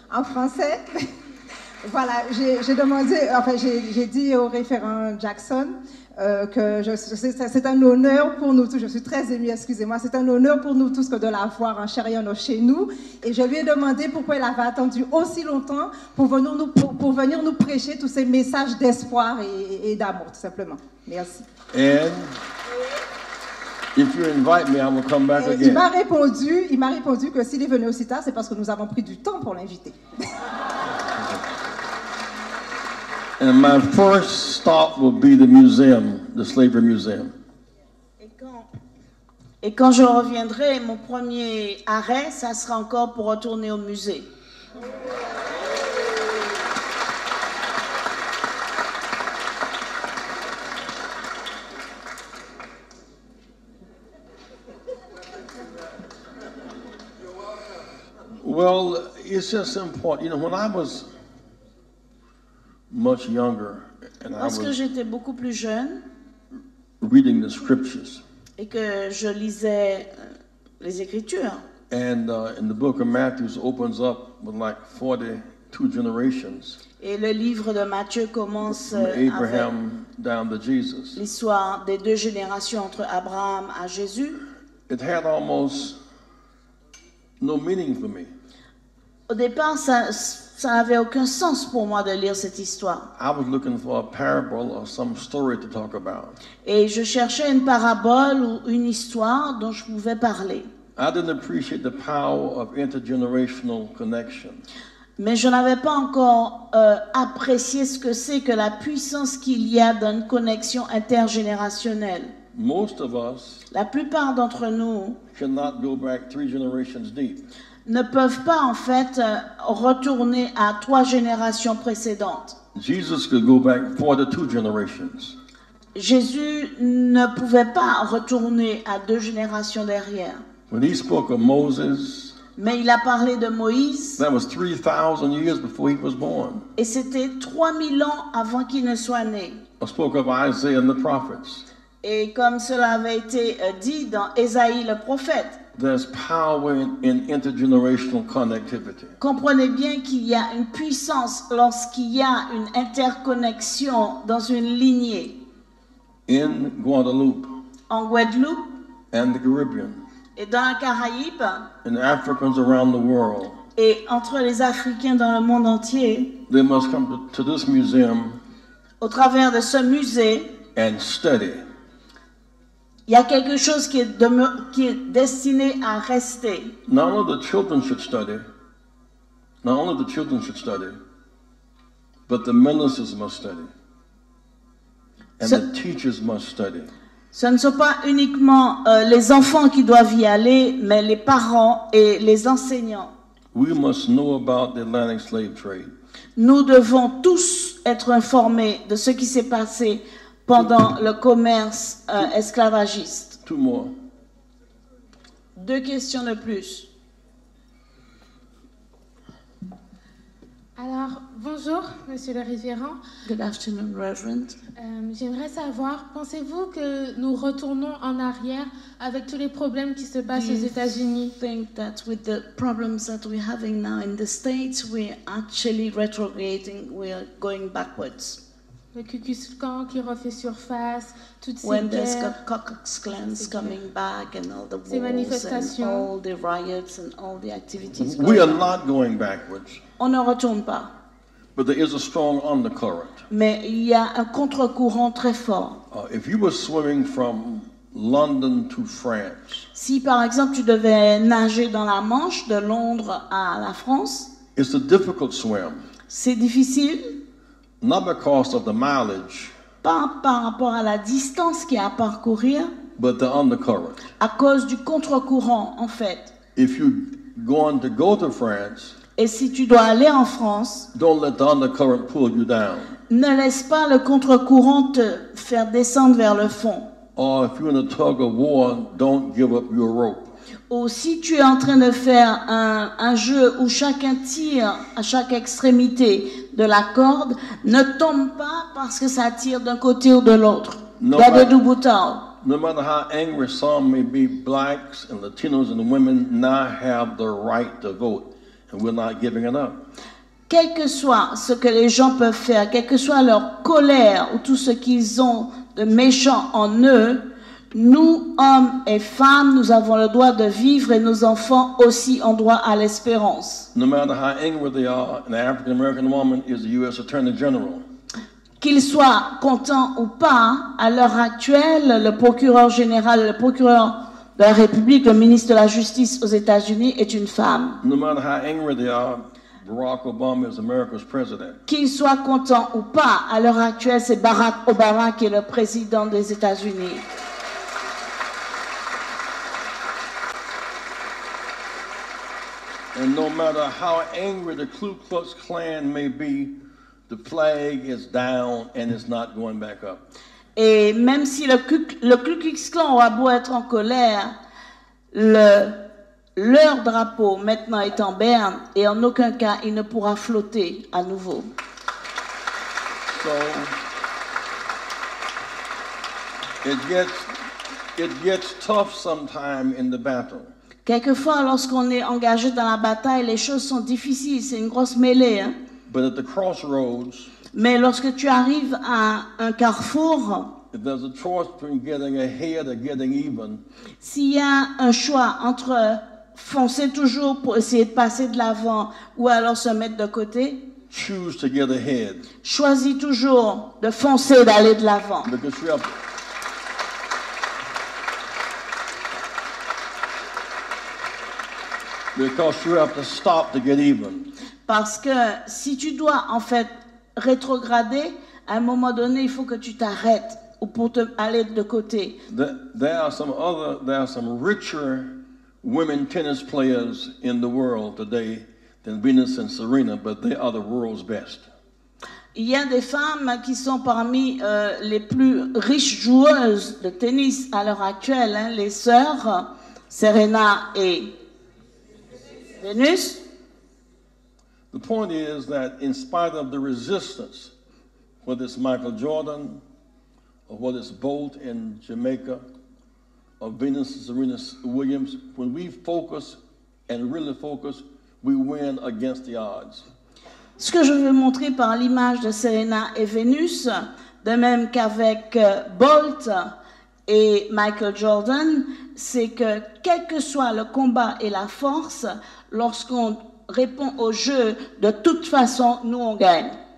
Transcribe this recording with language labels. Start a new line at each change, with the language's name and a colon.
French: En français, voilà, j'ai demandé, enfin, j'ai dit au référent Jackson que c'est un honneur pour nous tous. Je suis très émue, excusez-moi. C'est un honneur pour nous tous que de l'avoir en chair et en os chez nous. Et je lui ai demandé pourquoi il avait attendu aussi longtemps pour venir nous prêcher tous ces messages d'espoir et d'amour, tout simplement. Merci.
English: And if you invite me, I will come back again.
French: Il m'a répondu que s'il est venu aussi tard, c'est parce que nous avons pris du temps pour l'inviter.
English: And my first stop will be the museum, the slavery museum.
French: Et quand je reviendrai, mon premier arrêt, ça sera encore pour retourner au musée.
English: Well, it's just important. You know, when I was much younger, and
French: parce
English: I was
French: que j'étais beaucoup plus jeune,
English: reading the scriptures,
French: et que je lisais les écritures.
English: And in the book of Matthew opens up with like 42 generations.
French: Et le livre de Matthieu commence
English: from Abraham down to Jesus.
French: L'histoire des deux générations entre Abraham et Jésus.
English: It had almost no meaning for me.
French: Au départ, ça n'avait aucun sens pour moi de lire cette histoire.
English: I was looking for a parable or some story to talk about.
French: Et je cherchais une parabole ou une histoire dont je pouvais parler.
English: I didn't appreciate the power of intergenerational connection.
French: Mais je n'avais pas encore apprécié ce que c'est que la puissance qu'il y a d'une connexion intergénérationnelle.
English: Most of us,
French: la plupart d'entre nous,
English: cannot go back three generations deep.
French: Ne peuvent pas, en fait, retourner à trois générations précédentes.
English: Jesus could go back 42 generations.
French: Jésus ne pouvait pas retourner à deux générations derrière.
English: When he spoke of Moses,
French: mais il a parlé de Moïse.
English: That was 3,000 years before he was born.
French: Et c'était 3,000 ans avant qu'il ne soit né.
English: He spoke of Isaiah and the prophets.
French: Et comme cela avait été dit dans Ésaïe le prophète,
English: there's power in intergenerational connectivity.
French: Comprenez bien qu'il y a une puissance lorsqu'il y a une interconnexion dans une lignée.
English: In Guadeloupe.
French: En Guadeloupe.
English: And the Caribbean.
French: Et dans la Caraïbe.
English: And Africans around the world.
French: Et entre les Africains dans le monde entier.
English: They must come to this museum.
French: Au travers de ce musée.
English: And study.
French: Il y a quelque chose qui est destiné à rester.
English: None of the children should study. Not only the children should study, but the ministers must study. And the teachers must study.
French: Ce ne sont pas uniquement les enfants qui doivent y aller, mais les parents et les enseignants.
English: We must know about the Atlantic slave trade.
French: Nous devons tous être informés de ce qui s'est passé pendant le commerce esclavagiste.
English: Two more.
French: Deux questions de plus. Alors, bonjour, Monsieur le Révérend.
English: Good afternoon, Reverend.
French: J'aimerais savoir, pensez-vous que nous retournons en arrière avec tous les problèmes qui se passent aux États-Unis?
English: Do you think that with the problems that we're having now in the States, we're actually retrograding, we're going backwards?
French: Le Ku Klux Klan qui refait surface, toutes ces
English: when
French: guerres.
English: When there's got Ku Klux Klan coming back and all the wars and all the riots and all the activities. We are not going backwards.
French: On ne retourne pas.
English: But there is a strong undercurrent.
French: Mais il y a un contre-courant très fort.
English: If you were swimming from London to France,
French: si par exemple tu devais nager dans la Manche de Londres à la France,
English: it's a difficult swim.
French: C'est difficile.
English: Not because of the mileage,
French: pas par rapport à la distance qu'il y a à parcourir,
English: but the undercurrent.
French: À cause du contre-courant en fait.
English: If you're going to go to France,
French: et si tu dois aller en France,
English: don't let the undercurrent pull you down.
French: Ne laisse pas le contre-courant te faire descendre vers le fond.
English: Or if you're in a tug of war, don't give up your rope.
French: Ou si tu es en train de faire un jeu où chacun tire à chaque extrémité de la corde, ne tombe pas parce que ça tire d'un côté ou de l'autre.
English: No matter how angry some may be, blacks and Latinos and women now have the right to vote. We're not giving it up.
French: Quel que soit ce que les gens peuvent faire, quelle que soit leur colère ou tout ce qu'ils ont de méchant en eux, nous, hommes et femmes, nous avons le droit de vivre et nos enfants aussi ont droit à l'espérance.
English: No matter how angry they are, an African-American woman is the U.S. Attorney General.
French: Qu'ils soient contents ou pas, à l'heure actuelle, le procureur général, le procureur de la République, le ministre de la Justice aux États-Unis est une femme.
English: No matter how angry they are, Barack Obama is America's president.
French: Qu'il soit content ou pas, à l'heure actuelle, c'est Barack Obama qui est le président des États-Unis.
English: And no matter how angry the Ku Klux Klan may be, the flag is down and it's not going back up.
French: Et même si le Ku Klux Klan aura beau être en colère, leur drapeau maintenant est en berne et en aucun cas il ne pourra flotter à nouveau.
English: So, it gets tough sometimes in the battle.
French: Quelquefois, lorsqu'on est engagé dans la bataille, les choses sont difficiles, c'est une grosse mêlée. Hein?
English: But at the crossroads,
French: mais lorsque tu arrives à un carrefour,
English: if there's a choice between getting ahead or getting even,
French: s'il y a un choix entre foncer toujours pour essayer de passer de l'avant ou alors se mettre de côté,
English: choose to get ahead.
French: Choisis toujours de foncer, d'aller de l'avant.
English: Because we have, because you have to stop to get even.
French: Parce que si tu dois en fait rétrograder, à un moment donné, il faut que tu t'arrêtes ou pour te aller de côté.
English: There are some richer women tennis players in the world today than Venus and Serena, but they are the world's best.
French: Il y a des femmes qui sont parmi les plus riches joueuses de tennis à l'heure actuelle, hein, les sœurs Serena et Venus.
English: The point is that in spite of the resistance, whether it's Michael Jordan, or whether it's Bolt in Jamaica, or Venus and Serena Williams, when we focus and really focus, we win against the odds.
French: Ce que je veux montrer par l'image de Serena et Venus, de même qu'avec Bolt et Michael Jordan, c'est que quel que soit le combat et la force, lorsqu'on répond au jeu, de toute façon, nous on gagne.